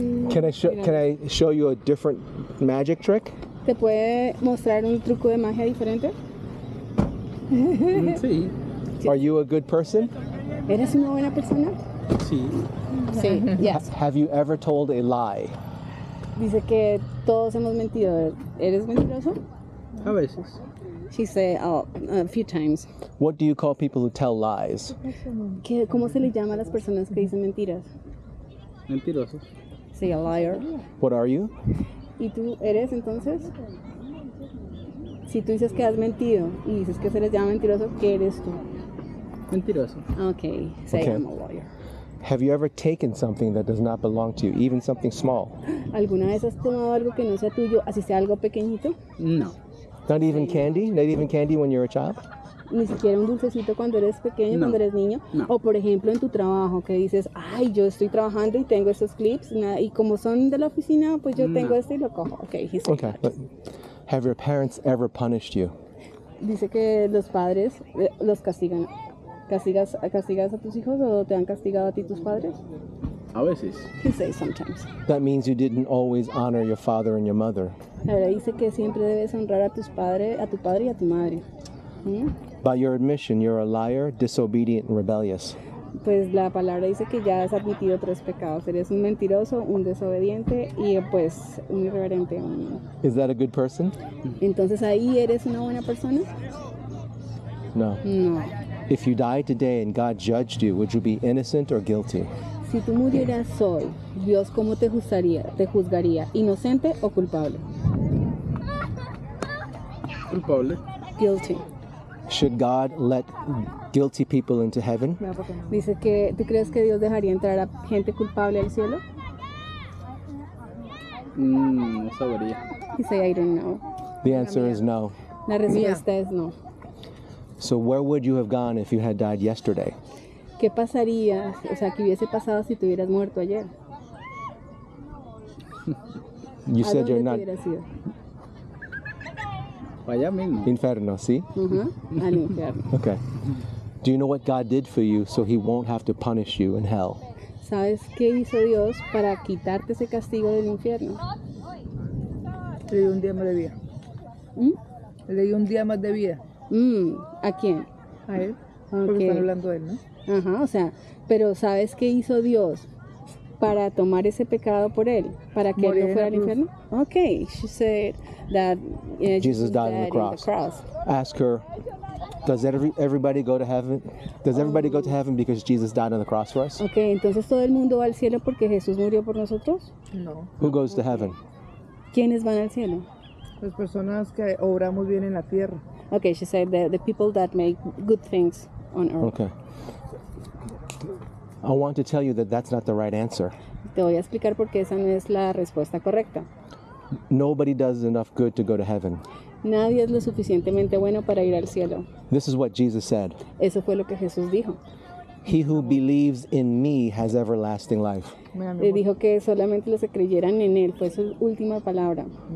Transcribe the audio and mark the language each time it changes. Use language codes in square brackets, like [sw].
[en] Can I show you a different magic trick? [es] ¿Te puede mostrar un truco de magia diferente? Sí. [en] Are you a good person? [es] ¿Eres una buena persona? Sí. Sí, yes. [en] Have you ever told a lie? [es] Dice que todos hemos mentido. ¿Eres mentiroso? A veces. [en] She said, a few times. What do you call people who tell lies? [es] ¿Qué, cómo se le llama a las personas que dicen mentiras? Mentirosos. [en] Say a liar. What are you? [es] ¿Y tú eres entonces? Si tú dices que has mentido y dices que se les llama mentiroso, ¿qué eres tú? Mentiroso. [en] Okay, say okay. I'm a liar. Have you ever taken something that does not belong to you, even something small? [es] ¿Alguna vez has tomado algo que no sea tuyo, así sea algo pequeñito? No. [en] Not even candy? Not even candy when you're a child? [es] Ni siquiera un dulcecito cuando eres pequeño, no. Cuando eres niño. No. O por ejemplo en tu trabajo que dices, ay, yo estoy trabajando y tengo estos clips, y como son de la oficina, pues yo tengo este y lo cojo. [en] Okay, he's okay. Have your parents ever punished you? [es] Dice que los padres los castigan. ¿Castigas a tus hijos o te han castigado a ti tus padres? A veces. [en] He says sometimes. That means you didn't always honor your father and your mother. [es] Ahora dice que siempre debes honrar a tus padres, a tu padre y a tu madre. [en] By your admission, you're a liar, disobedient, and rebellious. [es] Pues la palabra dice que ya has admitido tres pecados. Eres un mentiroso, un desobediente y pues un irreverente. [en] Is that a good person? [es] Entonces ahí eres una buena persona. No. No. [en] If you died today and God judged you, would you be innocent or guilty? [es] Si tú murieras hoy, Dios cómo te juzgaría? ¿Te juzgaría inocente o culpable? Culpable. [en] Guilty. Should God let guilty people into heaven? [es] Dice que ¿tú crees que Dios dejaría entrar a gente culpable al cielo? No sabría. [en] He said, I don't know. The answer is no. [es] La respuesta es no. [en] So where would you have gone if you had died yesterday? [es] ¿Qué pasaría? O sea, ¿qué hubiese pasado si te hubieras muerto ayer? [en] You said you're not. [es] Allá mismo. Inferno, ¿sí? Uh-huh. Al infierno. [en] Okay. Do you know what God did for you so he won't have to punish you in hell? [es] ¿Sabes qué hizo Dios para quitarte ese castigo del infierno? Le dio un día más de vida. Le dio un día más de vida. ¿A quién? A él. Porque están hablando de él, ¿no? Ajá, o sea, pero ¿sabes qué hizo Dios para tomar ese pecado por él? Para que morir él no fuera al infierno. [en] Okay, she said that Jesus died on the cross. Ask her, does everybody go to heaven? Does everybody go to heaven because Jesus died on the cross for us? [es] Okay, entonces todo el mundo va al cielo porque Jesús murió por nosotros? No. [en] Who goes to heaven? [es] ¿Quiénes van al cielo? Las personas que obramos bien en la tierra. [en] Okay, she said the people that make good things on earth. Okay. I want to tell you that that's not the right answer. [es] Te voy a explicar por qué esa no es la respuesta correcta. [en] Nobody does enough good to go to heaven. [es] Nadie es lo suficientemente bueno para ir al cielo. [en] This is what Jesus said. [es] Eso fue lo que Jesús dijo. [en] He who believes in me has everlasting life. [es] Le dijo que solamente los que creyeran en él fue su última palabra.